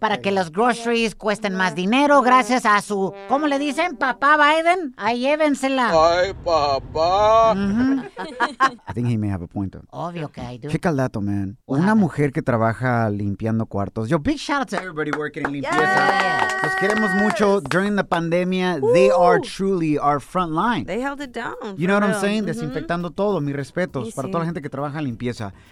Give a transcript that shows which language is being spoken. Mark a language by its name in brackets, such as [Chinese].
[Spanish] Para que las groceries cuesten más dinero gracias a su, ¿cómo le dicen? Papá Biden. Ahí llévensela. Ay, papá. Mm-hmm. [English] I think he may have a point, though. [Spanish] Obvio que [English] I do. [Spanish] Checa el dato, man. What una mujer que trabaja limpiando cuartos. [English] Yo, big shout out to everybody working in Yes. [Spanish] Los queremos mucho. [English] During the pandemia, they are truly our front line. They held it down. You know what I'm saying? [Spanish] Desinfectando todo. Mis respetos para toda la gente que trabaja en limpieza.